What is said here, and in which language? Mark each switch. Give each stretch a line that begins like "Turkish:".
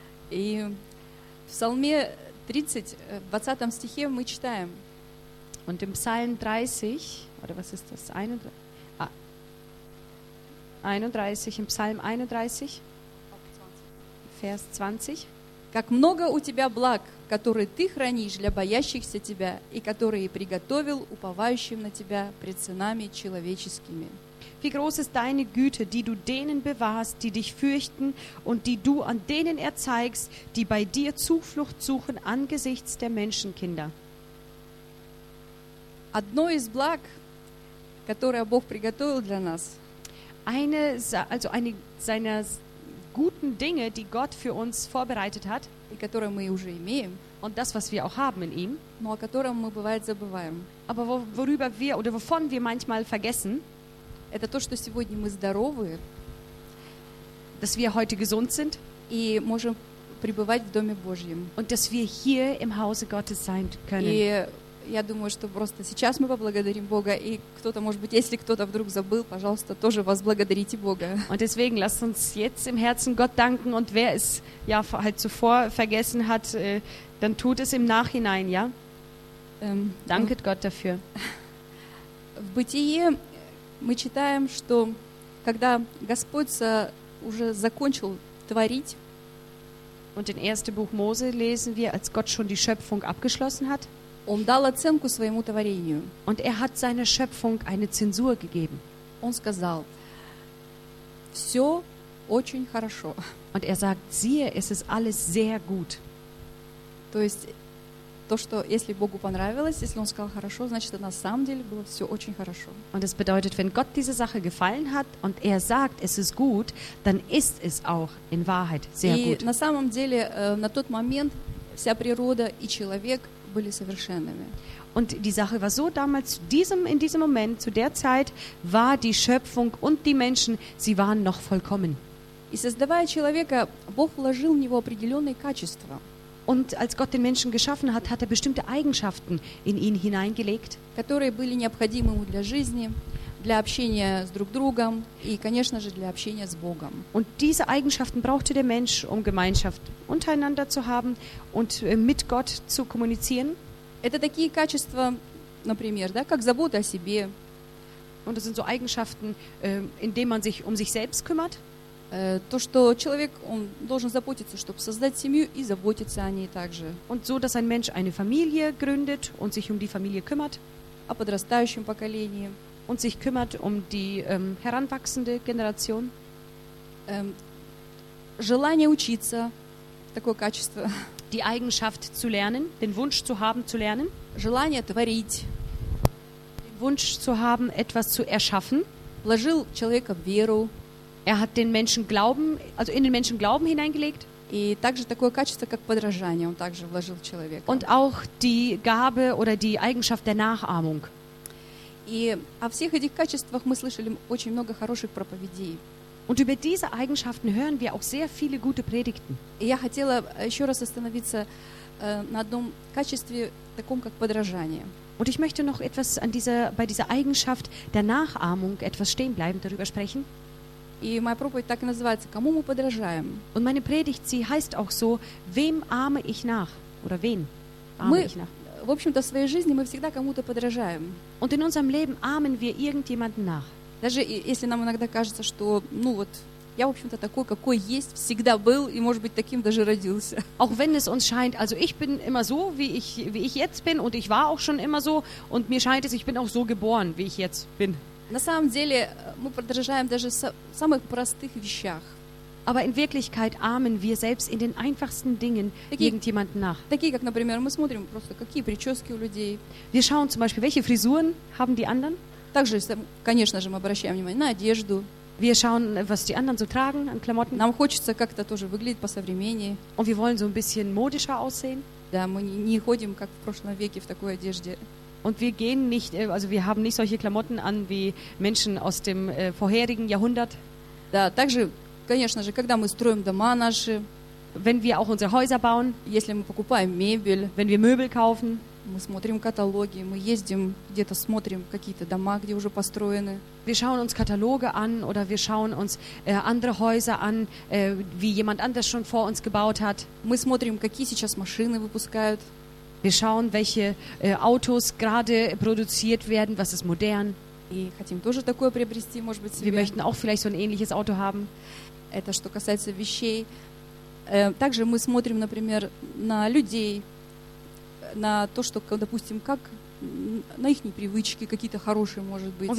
Russian: И в Псалме 30, в 20 стихе мы читаем.
German: Und im Psalm 30, oder was ist das? 31, im Psalm 31, Vers 20.
Russian: Как много у тебя благ, которые ты хранишь для боящихся тебя и которые приготовил уповающим на тебя пред сынами человеческими.
German: Wie groß ist deine Güte, die du denen bewahrst, die dich fürchten und die du an denen erzeigst, die bei dir Zuflucht suchen angesichts der Menschenkinder.
Russian: Одно из благ, которое Бог приготовил для нас.
German: Eine seiner guten Dinge, die Gott für uns vorbereitet hat, die,
Russian: которые мы уже имеем,
German: und das, was wir auch haben in ihm,
Russian: но о котором мы бывает забываем.
German: Aber worüber wir oder wovon wir manchmal vergessen,
Russian: это то, что сегодня мы здоровы,
German: dass wir heute gesund sind,
Russian: и можем пребывать в Доме Божьем,
German: und dass wir hier im Hause Gottes sein können.
Russian: И я думаю, что просто сейчас мы поблагодарим Бога, и кто-то, может быть, если кто-то вдруг забыл, пожалуйста, тоже возблагодарите Бога.
German: Und deswegen lasst uns jetzt im Herzen Gott danken, und wer es ja halt zuvor vergessen hat, dann tut es im Nachhinein, ja? Danket Gott dafür.
Russian: В Бытие мы читаем, что когда Господь уже закончил творить,
German: und in 1. Buch Mose lesen wir, als Gott schon die Schöpfung abgeschlossen hat,
Russian: Он дал оценку своему творению.
German: Und hat seiner Schöpfung eine Zensur gegeben.
Russian: Он сказал: «Все очень хорошо».
German: Und sagt: «Siehe, es ist alles sehr gut».
Russian: То есть то, что если Богу понравилось, если Он сказал хорошо, значит, на самом деле было все очень хорошо.
German: Und es bedeutet, wenn Gott diese Sache gefallen hat und sagt, es ist gut, dann ist es auch in Wahrheit sehr
Russian: И
German: gut.
Russian: На самом деле на тот момент вся природа и человек были совершенными.
German: Und die Sache war so damals in diesem Moment zu der Zeit war die Schöpfung und die Menschen, sie waren noch vollkommen.
Russian: И создавая человека, Бог вложил в него определенные качества.
German: Und als Gott den Menschen geschaffen hat, hat bestimmte Eigenschaften in ihn hineingelegt,
Russian: которые были необходимы ему для жизни, для общения с друг другом и, конечно же, для общения с Богом.
German: Und diese Eigenschaften brauchte der Mensch, Gemeinschaft untereinander zu haben und mit Gott zu kommunizieren.
Russian: Это такие качества, например, да, как забота о себе.
German: Und das sind so Eigenschaften, indem man sich sich selbst kümmert.
Russian: То, что человек, он должен заботиться, чтобы создать семью и заботиться о ней также.
German: Und so, dass ein Mensch eine Familie gründet und sich die Familie kümmert.
Russian: О подрастающем поколении.
German: Und sich kümmert die heranwachsende Generation.
Russian: Желание учиться. Такое качество.
German: Die Eigenschaft zu lernen, den Wunsch zu haben, zu lernen.
Russian: Желание творить.
German: Den Wunsch zu haben, etwas zu erschaffen.
Russian: Вложил человека в веру.
German: Hat den Menschen Glauben, also in den Menschen Glauben hineingelegt.
Russian: И также такое качество, как подражание, он также вложил в человека.
German: Und auch die Gabe oder die Eigenschaft der Nachahmung.
Russian: И о всех этих качествах мы слышали очень много хороших проповедей.
German: Und über diese Eigenschaften hören wir auch sehr viele gute Predigten.
Russian: Я хотела еще раз остановиться на одном качестве, таком как подражание.
German: Und ich möchte noch etwas bei dieser Eigenschaft der Nachahmung etwas stehen bleiben, darüber sprechen.
Russian: И моя проповедь так и называется: «Кому мы подражаем?»
German: Und meine Predigt, sie heißt auch so: «Wem ahme ich nach?» Oder «Wen ahme ich nach?»
Russian: В общем-то, в своей жизни мы всегда кому-то подражаем.
German: Und in unserem Leben ahmen wir irgendjemanden nach.
Russian: Даже если нам иногда кажется, что, ну вот, я, в общем-то, такой, какой есть, всегда был и, может быть, таким даже родился.
German: Auch wenn es uns scheint, also ich bin immer so, wie ich jetzt bin, und ich war auch schon immer so, und mir scheint es, ich bin auch so geboren, wie ich jetzt bin.
Russian: На самом деле, мы подражаем даже в самых простых вещах.
German: Aber in Wirklichkeit ahmen wir selbst in den einfachsten Dingen irgendjemanden nach.
Russian: Такие, как, например, мы смотрим просто, какие прически у людей.
German: Wir schauen zum Beispiel, welche Frisuren haben die anderen.
Russian: Также, конечно же, мы обращаем внимание на одежду.
German: Wir schauen, was die anderen so tragen an Klamotten.
Russian: Нам хочется как-то тоже выглядеть посовременнее.
German: Und wir wollen so ein bisschen modischer aussehen.
Russian: Да, мы не ходим, как в прошлом веке, в такой одежде.
German: Und wir gehen nicht, also wir haben nicht solche Klamotten an, wie Menschen aus dem vorherigen Jahrhundert.
Russian: Да, также, конечно же, когда мы строим дома наши.
German: Wenn wir auch unsere Häuser bauen.
Russian: Если мы покупаем мебель.
German: Wenn wir Möbel kaufen.
Russian: Мы смотрим каталоги, мы ездим где-то, смотрим какие-то дома, где уже построены.
German: Wir schauen uns Kataloge an oder wir schauen uns andere Häuser an, wie jemand anders schon vor uns gebaut hat.
Russian: Мы смотрим, какие сейчас машины выпускают.
German: Wir schauen, welche Autos gerade produziert werden, was ist modern.
Russian: И хотим тоже такое приобрести, может быть, себе.
German: Wir möchten auch vielleicht so ein ähnliches Auto haben.
Russian: Это что касается вещей. Также мы смотрим, например, на людей, на то, что, допустим, как на их привычки какие-то хорошие, может быть.